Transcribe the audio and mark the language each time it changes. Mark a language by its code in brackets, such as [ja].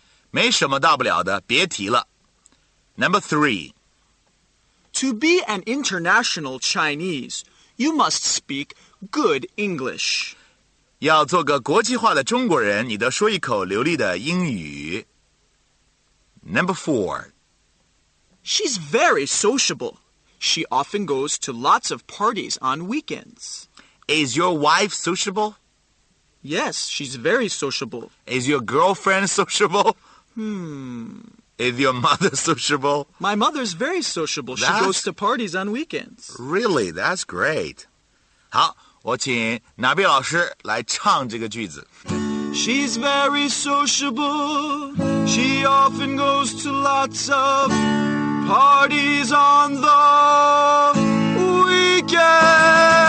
[zh] 没什么大不了的，别提了。 [en] Number three. To be an international Chinese, you must speak good English. [zh] 要做个国际化的中国人，你得说一口流利的英语。 [en] Number four. She's very sociable. She often goes to lots of parties on weekends. Is your wife sociable? Yes, she's very sociable. Is your girlfriend sociable? Is your mother sociable? My mother's very sociable. She goes to parties on weekends. Really? That's great. [zh] 好，我请纳比老师来唱这个句子。 [en] She's very sociable. She often goes to lots of parties on the weekend.